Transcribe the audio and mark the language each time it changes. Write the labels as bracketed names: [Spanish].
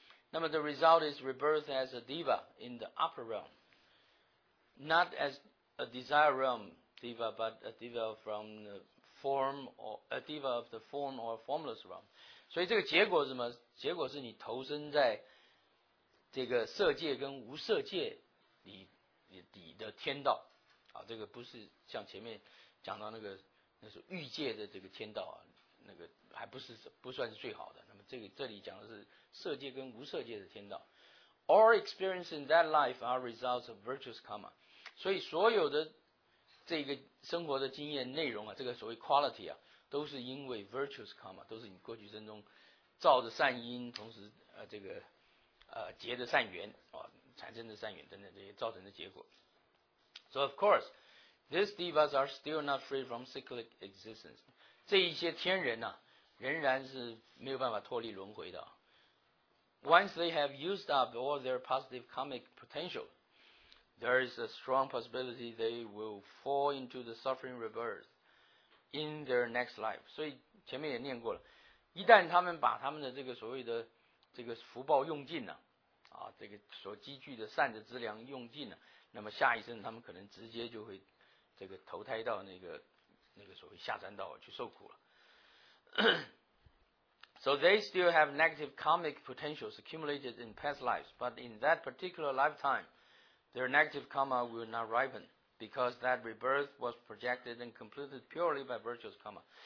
[English] 那么 the result is rebirth as a diva in the upper realm， not as a desire realm diva but a diva from theform or a diva of the form or formless realm。 [Chinese] 所以这个结果是什么？结果是你投身在这个色界跟无色界里的天道啊，这个不是像前面讲到那是欲界的这个天道啊，那个还不算是最好的。那么这里讲的是色界跟无色界的天道。 [English] All experience in that life are results of virtuous karma， [Chinese] 所以所有的这个生活的经验内容啊，这个所谓 quality 啊，都是因为 virtuous karma， 都是你过去生中造的善因，同时结的善缘啊，产生的善缘等等这些造成的结果。 [English] So of course, these divas are still not free from cyclic existence。这一些天人呐，仍然是没有办法脱离轮回的。 Once they have used up all their positive karmic potential。 There is a strong possibility they will fall into the suffering rebirth in their next life. [Chinese] 所以前面也念过了，一旦他们把他们的这个所谓的这个福报用尽了，这个所积聚的善的资粮用尽了，那么下一生他们可能直接就会这个投胎到那个所谓下三道去受苦了。 [English] So they still have negative karmic potentials accumulated in past lives, but in that particular lifetime, their negative karma will not ripen because that rebirth was projected and completed purely by virtuous karma.